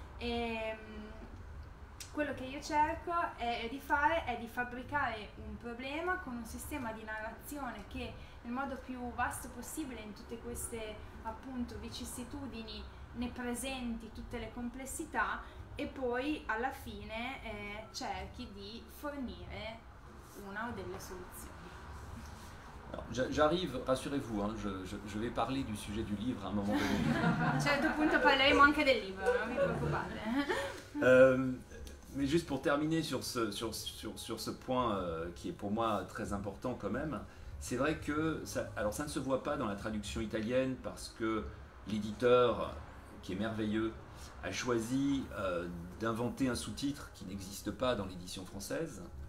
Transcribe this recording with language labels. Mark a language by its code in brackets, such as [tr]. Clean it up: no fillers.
[it] E quello che io cerco è di fabbricare un problema con un sistema di narrazione che nel modo più vasto possibile in tutte queste appunto vicissitudini ne presenti tutte le complessità e poi alla fine cerchi di fornire una o delle soluzioni. [fr] Alors, j'arrive, rassurez-vous, hein, je vais parler du sujet du livre à un moment donné. [it] A un certo punto parleremo anche del libro, non vi preoccupate. [fr] Mais juste pour terminer sur ce point qui est pour moi très important quand même, c'est vrai que ça ne se voit pas dans la traduction italienne parce que l'éditeur, qui est merveilleux, a choisi d'inventer un sous-titre qui n'existe pas dans l'édition française.